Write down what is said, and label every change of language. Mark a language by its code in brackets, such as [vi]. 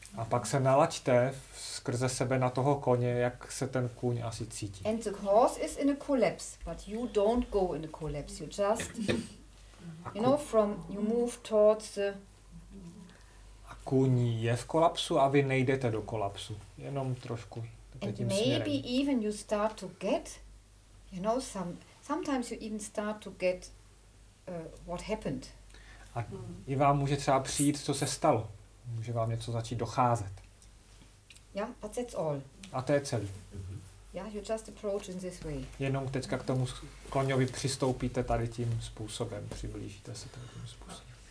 [cs] A pak se nalaďte skrze sebe na toho koně, jak se ten kůň asi cítí. [en] And the horse is in a collapse, but you don't go in a collapse. You just, you know, from you move towards the. [cs] A kůň je v kolapsu a vy nejdete do kolapsu. Jenom trošku. [en] And maybe even you start to get, you know, sometimes you even start to get what happened. [cs] A i vám může třeba přijít, co se stalo. Může vám něco začít docházet. [en] Yeah, but that's all. [cs] A to je celý. [en] Yeah, you just approach in this way. [cs] Jenom teďka k tomu koňovi přistoupíte tady tím způsobem, přiblížíte se tím způsobem.